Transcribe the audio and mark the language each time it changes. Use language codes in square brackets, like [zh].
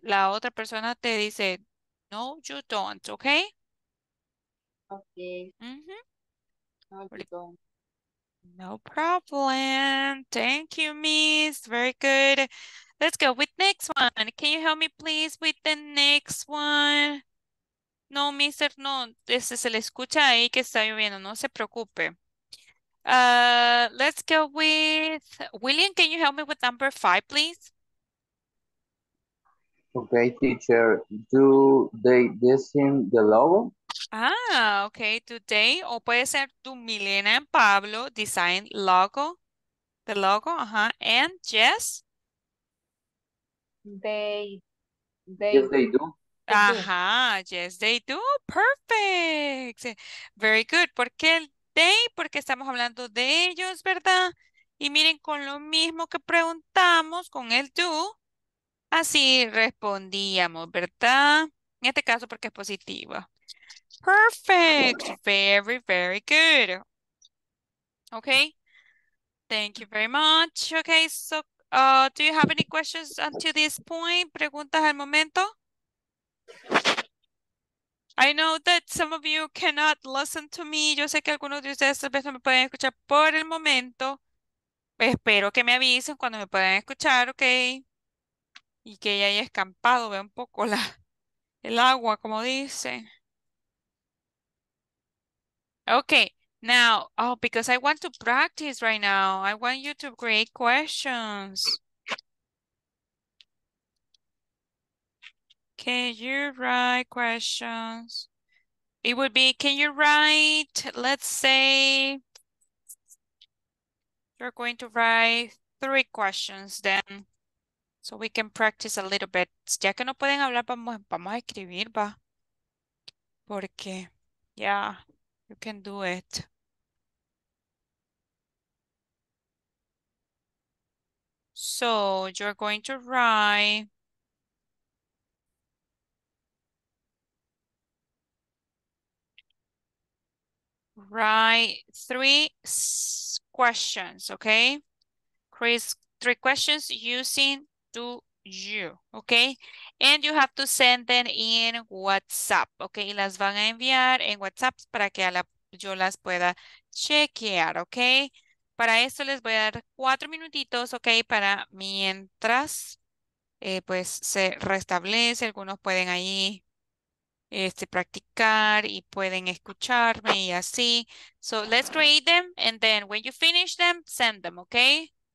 [es] La otra persona te dice, no, [en] you don't. [es] Okay? [en] Okay. Mm-hmm. No, you don't. No problem. Thank you, Miss. Very good. Let's go with next one. Can you help me, please, with the next one? No, Mister. [es] No, este se le escucha ahí que está lloviendo. No se preocupe. [en] Let's go with William. Can you help me with number five, please? Okay, teacher. Do they design the logo? Ah, okay, do they, [es] o puede ser [en] do Milena and Pablo design logo, the logo, uh-huh, and Jess? Yes, they do. Uh-huh, yes, they do, perfect, very good. [es] ¿Por qué el they? Porque estamos hablando de ellos, ¿verdad? Y miren, con lo mismo que preguntamos con el do, así respondíamos, ¿verdad? En este caso porque es positiva. [en] Perfect. Very, very good. Okay. Thank you very much. Okay, so do you have any questions until this point? [es] ¿Preguntas al momento? [en] I know that some of you cannot listen to me. [es] Yo sé que algunos de ustedes tal vez no me pueden escuchar por el momento. Espero que me avisen cuando me puedan escuchar, okay. Y que ya haya escampado, vea un poco el agua, como dice. [en] Okay, now, oh, because I want to practice right now. I want you to create questions. Can you write questions? It would be, can you write, let's say, you're going to write three questions then, so we can practice a little bit. [es] Ya que no pueden hablar, vamos a escribir, va. [en] Porque, yeah, you can do it. So, you're going to write... Write three questions, okay? Chris, three questions using do you, okay? And you have to send them in WhatsApp, okay? [es] Las van a enviar en WhatsApp para que yo las pueda chequear, okay? Para esto les voy a dar 4 minutitos, okay? Para mientras pues se restablece, algunos pueden ahí practicar y pueden escucharme y así. [en] So let's create them and then when you finish them, send them, okay?